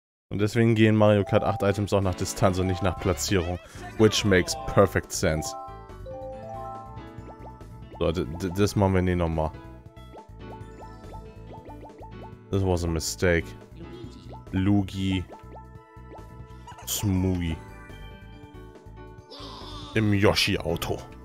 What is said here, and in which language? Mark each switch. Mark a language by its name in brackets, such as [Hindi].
[German] Deswegen gehen Mario Kart 8 Items auch nach Distanz und nicht nach Platzierung. [English] Which makes perfect sense. [German] So, das machen wir nie nochmal. [English] This was a mistake. Lugi. Smoogie. [German] Im Yoshi-Auto.